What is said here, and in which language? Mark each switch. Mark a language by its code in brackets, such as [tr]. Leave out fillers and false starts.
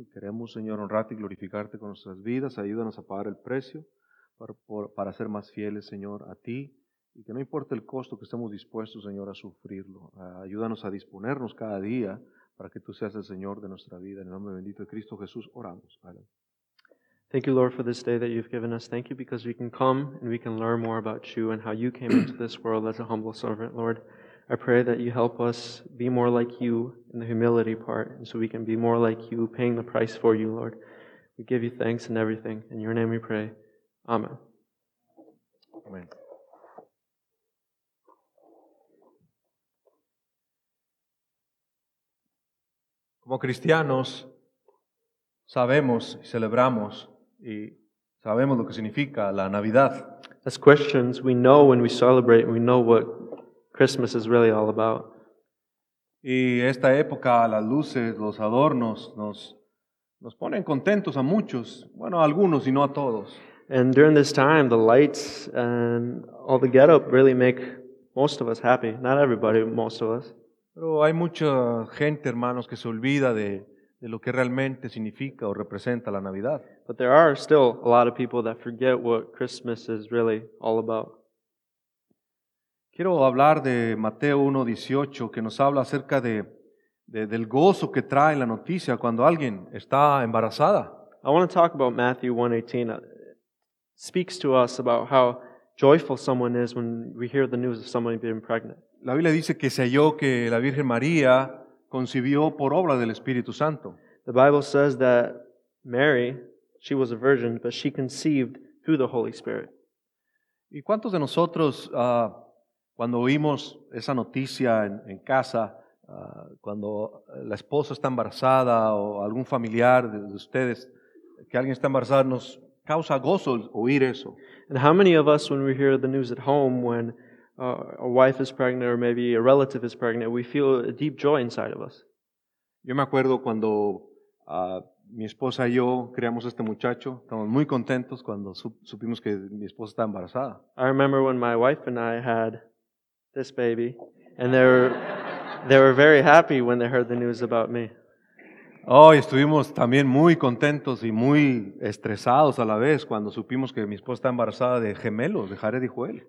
[es] Y queremos, Señor, honrarte y glorificarte con nuestras vidas. Ayúdanos a pagar el precio para ser más fieles, Señor, a ti. Y que no importe el costo que estemos dispuestos, Señor, a sufrirlo. Ayúdanos a disponernos cada día para que tú seas el Señor de nuestra vida. En el nombre bendito de Cristo Jesús, oramos. Amén. [en] Thank you, Lord, for this day that you've given us. Thank you because we can come and we can learn more about you and how you came into this world as a humble servant, Lord. I pray that you help us be more like you in the humility part, and so we can be more like you, paying the price for you, Lord. We give you thanks and everything. In your name we pray. Amen. Amen. [es] Como cristianos, sabemos y celebramos y sabemos lo que significa la Navidad. [en] As Christians, we know when we celebrate, we know what Christmas is really all about. [es] Y esta época, las luces, los adornos, nos ponen contentos a muchos, bueno, a algunos y no a todos. [en] And during this time, the lights and all the get-up really make most of us happy. Not everybody, but most of us. [es] Pero hay mucha gente, hermanos, que se olvida de lo que realmente significa o representa la Navidad. [en] But there are still a lot of people that forget what Christmas is really all about. [es] Quiero hablar de Mateo 1:18, que nos habla acerca del gozo que trae la noticia cuando alguien está embarazada. [en] I want to talk about Matthew 1:18. It speaks to us about how joyful someone is when we hear the news of somebody being pregnant. [es] La Biblia dice que se halló que la Virgen María concibió por obra del Espíritu Santo. [en] The Bible says that Mary, she was a virgin, but she conceived through the Holy Spirit. [es] ¿Y cuántos de nosotros Cuando oímos esa noticia en casa, cuando la esposa está embarazada o algún familiar de ustedes, que alguien está embarazada, nos causa gozo oír eso. [en] And how many of us, when we hear the news at home, when a wife is pregnant or maybe a relative is pregnant, we feel a deep joy inside of us. [es] Yo me acuerdo cuando mi esposa y yo creamos este muchacho, estamos muy contentos cuando supimos que mi esposa está embarazada. [en] I remember when my wife and I had this baby, and they were very happy when they heard the news about me. [es] Oh, y estuvimos también muy contentos y muy estresados a la vez cuando supimos que mi esposa está embarazada de gemelos, de Jared y Joel.